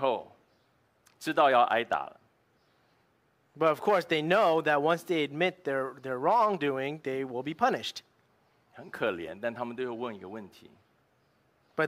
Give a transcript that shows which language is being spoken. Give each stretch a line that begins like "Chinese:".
Chinese: 那我就记得小孩子，他们当他们承认以后，知道要挨打了。
English: But of course, they know that once they admit their wrongdoing, they will be punished.
Chinese: 很可怜，但他们都会问一个问题。
English: But